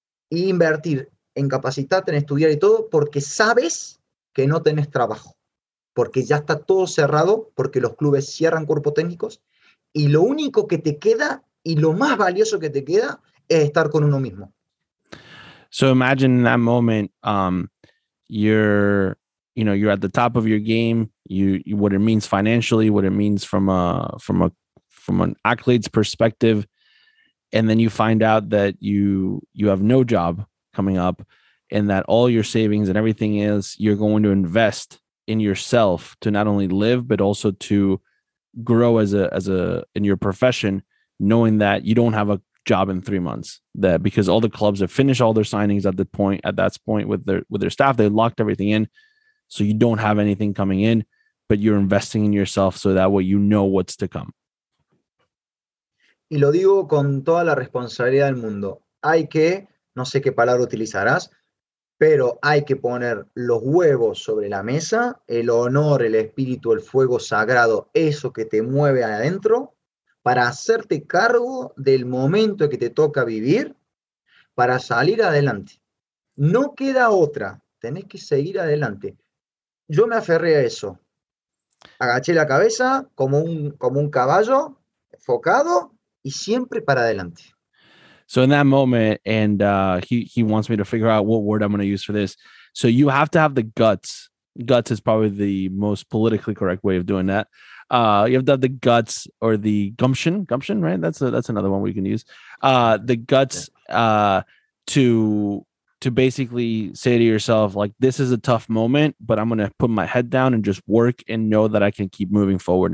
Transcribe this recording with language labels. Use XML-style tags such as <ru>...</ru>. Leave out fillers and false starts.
<es>e invertir en capacitarte, en estudiar y todo, porque sabes que no tenés trabajo, porque ya está todo cerrado, porque los clubes cierran cuerpos técnicos y lo único que te queda y lo más valioso que te queda estar con uno mismo.</es> <en>So imagine in that moment, you're at the top of your game. You what it means financially, what it means from an accolades perspective, and then you find out that you have no job coming up, and that all your savings and everything is you're going to invest in yourself to not only live but also to grow as a in your profession, knowing that you don't have a job in 3 months, that because all the clubs have finished all their signings at that point with their staff, they locked everything in, so you don't have anything coming in, but you're investing in yourself so that way you know what's to come.</en> <es>Y lo digo con toda la responsabilidad del mundo. Hay que, no sé qué palabra utilizarás, pero hay que poner los huevos sobre la mesa, el honor, el espíritu, el fuego sagrado, eso que te mueve adentro, para hacerte cargo del momento que te toca vivir, para salir adelante. No queda otra, tenés que seguir adelante. Yo me aferré a eso. Agaché la cabeza como un caballo, enfocado y siempre para adelante.</es> <en>So in that moment, and he wants me to figure out what word I'm going to use for this. So you have to have the guts. Guts is probably the most politically correct way of doing that. You have to have the guts or the gumption, right? That's another one we can use. The guts to basically say to yourself, like, this is a tough moment, but I'm going to put my head down and just work and know that I can keep moving forward.</en>